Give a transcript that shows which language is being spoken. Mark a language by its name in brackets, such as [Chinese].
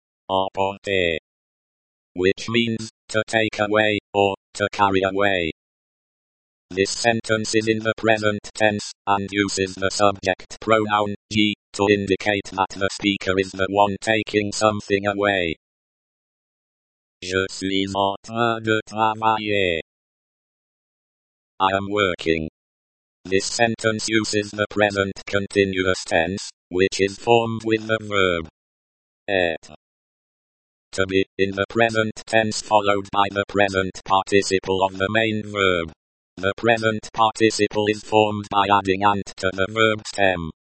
[French] emporter, [English] which means to take away or to carry away. This sentence is in the present tense and uses the subject pronoun je to indicate that the speaker is the one taking something away. [French] Je suis en train de travailler. [English] I am working. This sentence uses the present continuous tense, which is formed with the verb [French] être [English] to be in the present tense followed by the present participle of the main verb. The present participle is formed by adding ant to the verb stem.